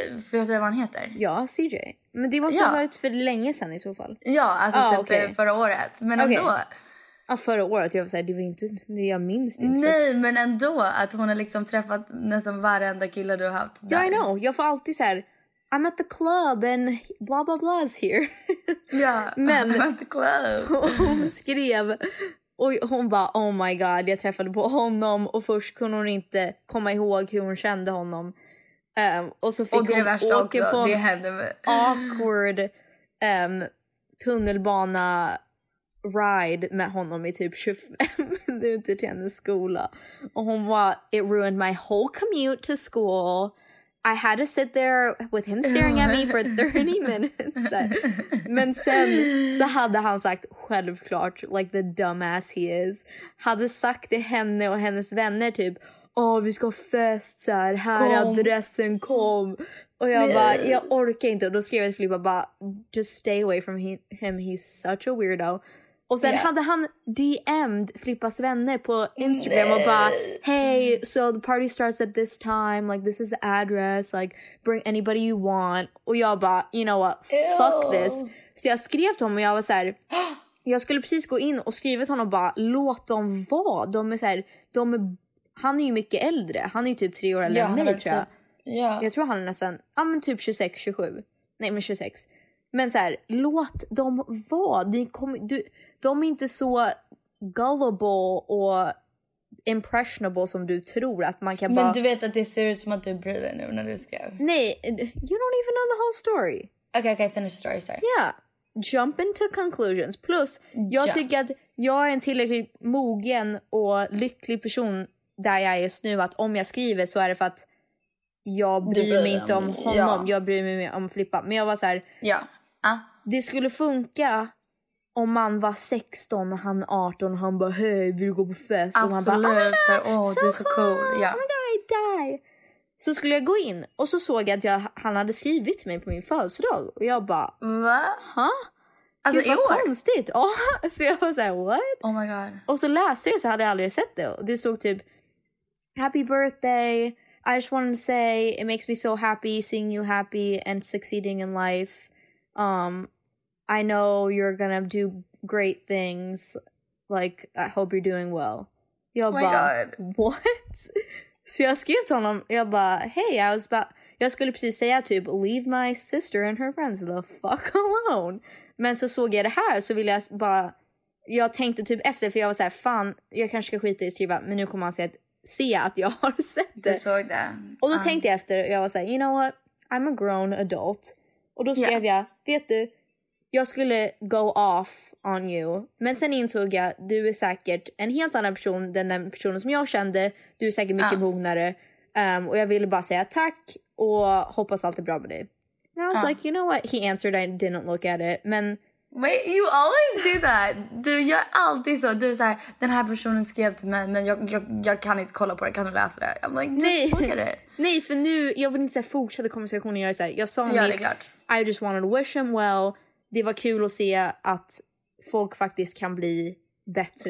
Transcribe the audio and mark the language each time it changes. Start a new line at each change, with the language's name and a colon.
Swedish: Får jag säga vad han heter? Ja, CJ. Men det måste ha varit för länge sedan i så fall. Ja, alltså förra året. Men ändå... Ja, förra året. Jag var så här, det var inte... Jag minns inte. Nej, men ändå att hon har liksom träffat nästan varenda kille du har haft där.
English: Yeah, I know.
Swedish: Jag får alltid så här...
English: I'm at the club and blah blah blah is here.
Swedish: Men
English: I'm at the club.
Swedish: Hon skrev och hon bara,
English: oh my god,
Swedish: jag träffade på honom, och först kunde hon inte komma ihåg hur hon kände honom. Och så fick och det hon åka på
English: awkward
Swedish: tunnelbana
English: ride
Swedish: med honom i typ 25 minuter till hennes skola. Och hon var,
English: it ruined my whole commute to school. I had to sit there with him staring at me for 30 minutes.
Swedish: Men sen så hade han sagt, självklart,
English: like the dumbass he is,
Swedish: hade sagt till henne och hennes vänner typ, åh, vi ska fest så här, här kom. Adressen, kom. Och jag bara, jag orkar inte. Och då skrev jag till Filippa bara,
English: just stay away from him, he's such a weirdo.
Swedish: Och sen hade han DM'd Filippas vänner på Instagram och bara,
English: hey, so the party starts at this time, like this is the address, like bring anybody you want.
Swedish: Och jag bara,
English: you know what, fuck this.
Swedish: Så jag skrev till honom och jag var så här, jag skulle precis gå in och skriva till honom och bara, låt dem vara. De är så här, de är, han är ju mycket äldre, han är ju typ 3 år äldre än mig, tror jag. Jag tror han är nästan, ja men typ 26, 27. Nej men 26. Men så här, låt dem vara. De är inte så gullible och impressionable som du tror att man kan men bara... Men du vet att det ser ut som att du bryr dig nu när du skrev.
English: Nej, you don't even know the whole story. Okay, finish the story, sorry. Yeah, jump into conclusions.
Swedish: Plus, jag tycker att jag är en tillräckligt mogen och lycklig person där jag är just nu. Att om jag skriver så är det för att jag bryr mig inte om honom. Ja. Jag bryr mig mer om Filippa. Men jag var så här... Ja. Det skulle funka om man var 16 och han 18 och han bara, hej, vill du gå på fest? Absolut. Och man bara,
English: oh my god,
Swedish: så här, oh, so det är så cool.
English: Yeah. Oh my god, I die.
Swedish: Så skulle jag gå in och så såg jag att han hade skrivit till mig på min födelsedag. Och jag bara, va? Huh? Alltså, det var konstigt. Oh, så jag var så här,
English: what? Oh my god.
Swedish: Och så läste jag, så hade jag aldrig sett det. Och det stod typ,
English: happy birthday. I just wanted to say, it makes me so happy seeing you happy and succeeding in life. I know you're gonna do great things. Like, I hope you're doing well.
Swedish: Jag
English: what?
Swedish: Så jag skrev till honom. Jag bara,
English: hey, I was about...
Swedish: Jag skulle precis säga typ,
English: leave my sister and her friends the fuck alone.
Swedish: Men så såg jag det här, så ville jag bara... Jag tänkte typ efter, för jag var så här, fan, jag kanske ska skita i skriva. Men nu kommer han säga att... se att jag har sett det. Du såg det. Och då tänkte jag efter, jag var såhär,
English: you know what, I'm a grown adult.
Swedish: Och då skrev jag, vet du, jag skulle
English: go off on you.
Swedish: Men sen insåg jag, du är säkert en helt annan person än den personen som jag kände. Du är säkert mycket mognare. Och jag ville bara säga tack och hoppas allt är bra med dig.
English: And I was like, you know what, he answered, I didn't look at it.
Swedish: Men...
English: Wait, you always do that.
Swedish: Du gör alltid så. Du är så här, den här personen skrev till mig, men jag kan inte kolla på det, kan du läsa det?
English: I'm like, just look at it.
Swedish: Nej, för nu, jag vill inte säga fortsätta konversationen. Jag är så här, jag sa
English: I just wanted to wish him well.
Swedish: Det var kul att se att folk faktiskt kan bli bättre.